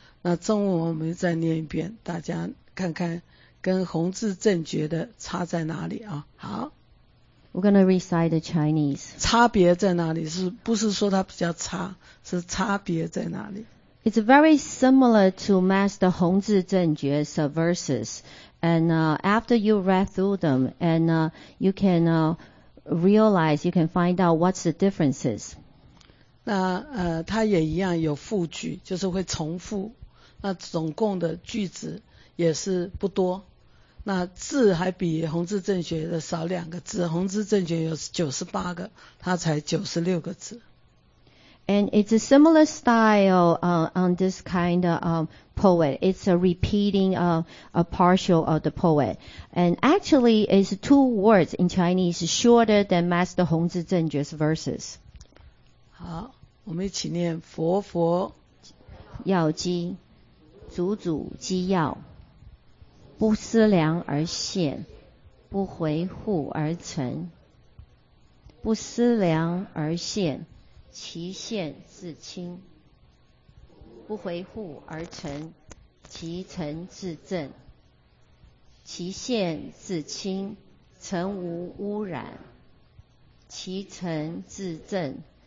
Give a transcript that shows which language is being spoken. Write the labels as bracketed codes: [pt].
[zh] 那中文我们再念一遍，大家看看跟弘智正觉的差在哪里啊。好， [en] We're gonna recite the Chinese. [zh] 差别在哪里，是不是说它比较差，是差别在哪里。 [en] It's very similar to Master 弘智正觉's verses. And after you read through them, and you can realize, you can find out what's the differences. [zh] 那它也一样有复句，就是会重复，那总共的句子也是不多，那字还比弘智正觉的少两个字，弘智正觉有98个，它才96个字。 [en] And it's a similar style on this kind of poet. It's a repeating a partial of the poet. And actually it's two words in Chinese shorter than Master 弘智正觉's verses. [zh] 好，我们一起念佛佛要机，祖祖机要，不思量而现，不回护而成，不思量而现，其现自清，不回护而成，其成自正，其现自清，成无污染，其成自正。